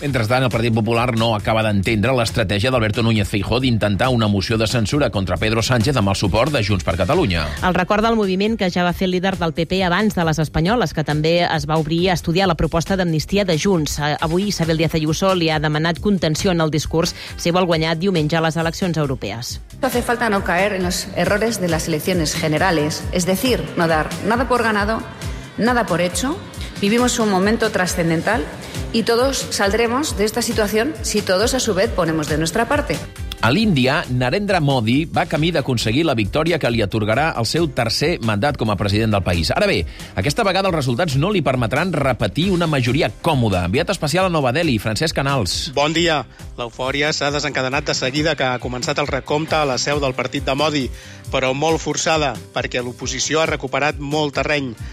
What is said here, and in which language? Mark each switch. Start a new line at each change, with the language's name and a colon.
Catalan: Mentrestant, el Partit Popular no acaba d'entendre l'estratègia d'Alberto Núñez Feijóo d'intentar una moció de censura contra Pedro Sánchez amb el suport de Junts per Catalunya. El recorda el moviment que ja va fer el líder del PP abans de les espanyoles, que també es va obrir a estudiar la proposta d'amnistia de Junts. Avui Isabel Díaz Ayuso li ha demanat contenció en el discurs si vol guanyar diumenge a les eleccions europees.
Spanish: Hace falta no caer en los errores de las elecciones generales, es decir, no dar nada por ganado, nada por hecho. Vivimos un momento trascendental y todos saldremos de esta situación si todos a su vez ponemos de nuestra parte.
Catalan: A l'Índia, Narendra Modi va camí d'aconseguir la victòria que li atorgarà el seu tercer mandat com a president del país. Ara bé, aquesta vegada els resultats no li permetran repetir una majoria còmoda. Enviat especial a Nova Delhi, Francesc Canals. Bon dia. L'eufòria s'ha desencadenat de seguida que ha començat el recompte a la seu del partit de Modi, però molt forçada, perquè l'oposició ha recuperat molt terreny.